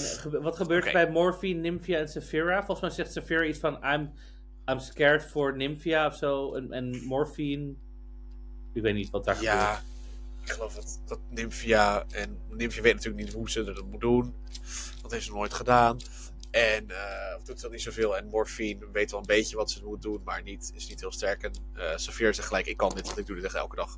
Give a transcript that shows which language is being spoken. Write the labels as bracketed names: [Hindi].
[Dutch] Wat gebeurt er bij Morphe, Nymphia en Saphira? Volgens mij zegt Saphira iets van... [English] I'm scared for Nymphia [Dutch] of zo. En Morphine. Ik weet niet wat daar gebeurt. Ja, ik geloof dat Nymphia... En Nymphia weet natuurlijk niet hoe ze dat moet doen. Dat heeft ze nooit gedaan. En doet ze niet zoveel. En Morphine weet wel een beetje wat ze moet doen. Maar is niet heel sterk. En Saphira zegt gelijk, ik kan dit. Want ik doe dit echt elke dag.